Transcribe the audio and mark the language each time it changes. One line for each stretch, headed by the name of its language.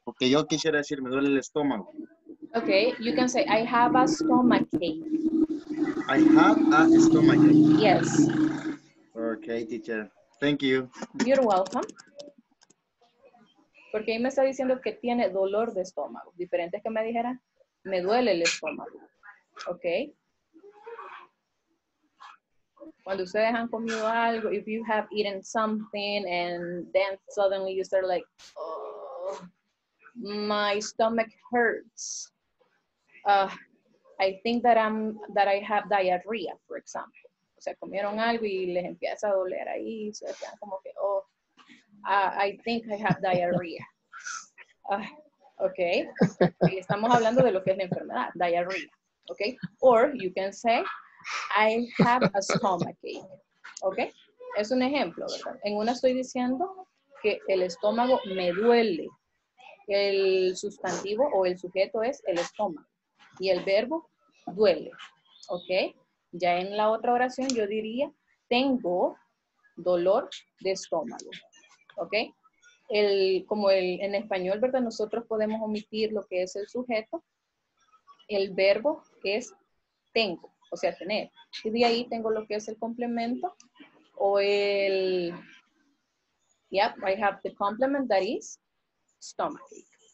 Spanish: Porque yo quisiera decir, me duele el estómago.
English: Okay, you can say, I have a stomachache. I have a stomachache. Yes. Okay, teacher. Thank you. You're welcome.
Spanish: Porque ahí me está diciendo que tiene dolor de estómago. Diferente que me dijera, me duele el estómago. Okay. Cuando ustedes han comido algo,
English: if you have eaten something and then suddenly you start like, oh, my stomach hurts. I think that I have diarrhea, for example.
Spanish: O sea, comieron algo y les empieza a doler ahí. O sea, están como que,
English: oh, I think I have diarrhea. Okay.
Spanish: Y estamos hablando de lo que es la enfermedad, diarrhea. Okay.
English: Or you can say, I have a stomachache.
Spanish: Okay? Es un ejemplo, ¿verdad? En una estoy diciendo que el estómago me duele. El sustantivo o el sujeto es el estómago. Y el verbo duele. Okay? Ya en la otra oración yo diría, tengo dolor de estómago. ¿Ok? El, como el, en español, ¿verdad? Nosotros podemos omitir lo que es el sujeto. El verbo es tengo, o sea, tener. Y de ahí tengo lo que es el complemento o el...
English: Yep, I have the complement that is stomachache.